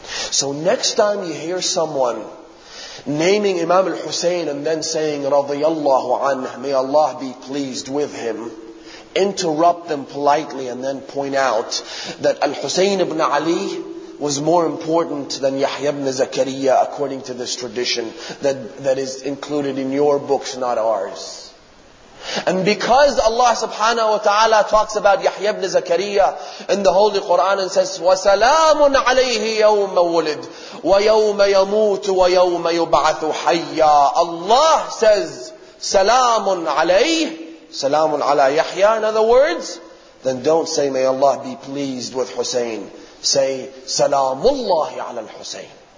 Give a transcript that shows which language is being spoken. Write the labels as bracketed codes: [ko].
[en] So next time you hear someone naming Imam al-Husayn and then saying, radiyallahu anhu, may Allah be pleased with him, interrupt them politely and then point out that al-Husayn ibn Ali was more important than Yahya ibn Zakariya according to this tradition that is included in your books, not ours. And because Allah subhanahu wa ta'ala talks about Yahya ibn Zakariya in the Holy Quran and says, [ar] وَسَلَامٌ عَلَيْهِ يَوْمَ وُلِدْ وَيَوْمَ يَمُوتُ وَيَوْمَ يُبْعَثُ حَيَّا. [en] Allah says, [ar] سَلَامٌ عَلَيْهِ سَلَامٌ عَلَى يَحْيَا. [en] In other words, then don't say, may Allah be pleased with Hussein. Say, [ar] سَلَامُ اللَّهِ عَلَى الْحُسَيْنِ.